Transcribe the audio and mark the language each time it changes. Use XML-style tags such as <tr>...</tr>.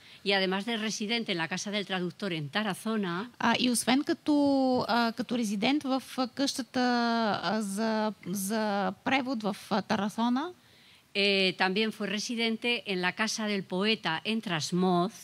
<es>Y además de residente en la casa del traductor en Tarazona.</es> <bg>И освен като резидент в къщата за превод в Тарасона.</bg> <es>También fue residente en la casa del poeta en Trasmoz.</es>